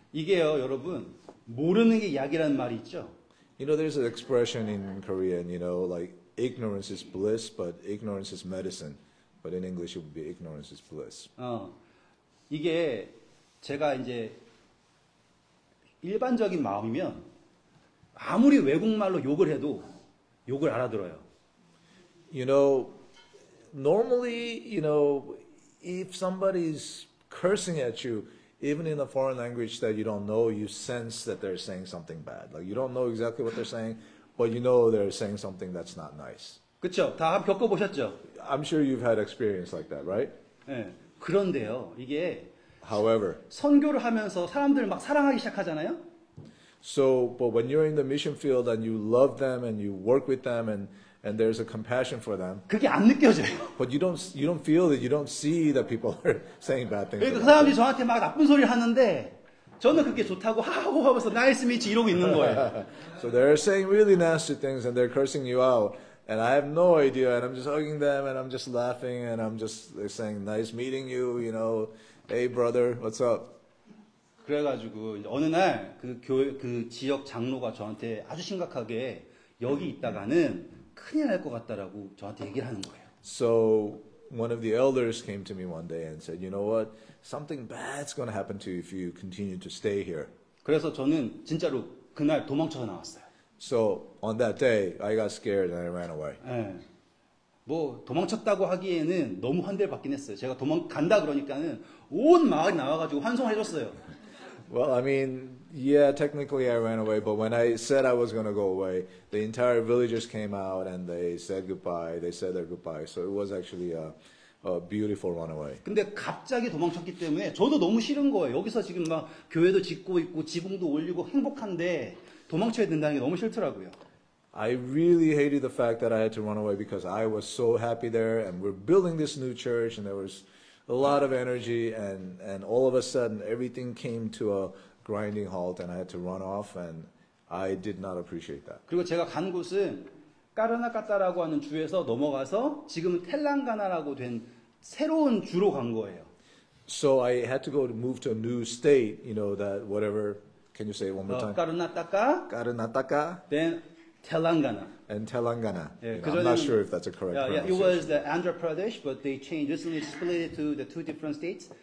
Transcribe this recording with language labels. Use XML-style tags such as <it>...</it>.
<ko>이게요, 여러분, 모르는 게 약이라는 말이 있죠.</ko> <en>You know, there's an expression in Korean, you know, like, Ignorance is bliss, but ignorance is medicine. But in English, it would be ignorance is bliss.</en> <ko>이게 제가 이제 일반적인 마음이면 아무리 외국말로 욕을 해도 욕을 알아들어요.</ko> <en>You know, normally, you know, if somebody is cursing at you, even in a foreign language that you don't know, you sense that they're saying something bad. Like you don't know exactly what they're saying. But you know they're saying something that's not nice.</en> <ko>그쵸? 다 겪어보셨죠?</ko> <en>I'm sure you've had experience like that, right?</en> <ko>예. 그런데요, 이게</ko> <en>However,</en> <ko>선교를 하면서 사람들 막 사랑하기 시작하잖아요?</ko> <en>So, but when you're in the mission field and you love them and you work with them and there's a compassion for them,</en> <ko>그게 안 느껴져요.</ko> <en>But you don't feel it. You don't see that people are saying bad things.</en> <ko>그 사람들이 저한테 막 나쁜 소리를 하는데. 저는 그게 좋다고 하고 하면서</ko> <en>나이스 미치</en> <ko>이러고 있는 거예요.</ko> <en>So they're saying really nasty things and they're cursing you out and I have no idea and I'm just hugging them and I'm just laughing and I'm just saying nice meeting you, you know. Hey brother, what's up?</en> <ko>그래 가지고 어느 날 그 교회 그 지역 장로가 저한테 아주 심각하게 여기 있다가는 큰일 날 것 같다라고 저한테 얘기를 하는 거예요.</ko> <en>So one of the elders came to me one day and said, "You know what? Something bad's going to happen to you if you continue to stay here."</en> <ko>그래서 저는 진짜로 그날 도망쳐 나왔어요.</ko> <en>So on that day, I got scared and I ran away.</en> <ko>뭐 도망쳤다고 하기에는 너무 환대를 받긴 했어요. 제가 도망 간다 그러니까는 온 마을이 나와 가지고 환송해 줬어요.</ko> <en>Well, I mean, yeah, technically I ran away, but when I said I was going to go away, the entire villagers came out and they said goodbye. They said their goodbye. So it was actually a beautiful runaway.</en> <ko>근데 갑자기 도망쳤기 때문에 저도 너무 싫은 거예요. 여기서 지금 막 교회도 짓고 있고 지붕도 올리고 행복한데 도망쳐야 된다는 게 너무 싫더라고요.</ko> <en>I really hated the fact that I had to run away because I was so happy there and we're building this new church and there was a lot of energy and all of a sudden everything came to a grinding halt and I had to run off and I did not appreciate that.</en> <ko>그리고 제가 간 곳은 까르나카타라고 하는 주에서 넘어가서 지금은 텔랑가나라고 된 새로운 주로 간 거예요.</ko> <en>So I had to go to move to a new state, you know, that whatever, can you say it one more time?</en> <ko>까르나타카. 까르나타카.</ko> <en>Then 텔랑가나. And Telangana. Yeah, you know, I'm not sure if that's a correct pronunciation. It was the Andhra Pradesh, but they changed, recently split it to the two different states.</en>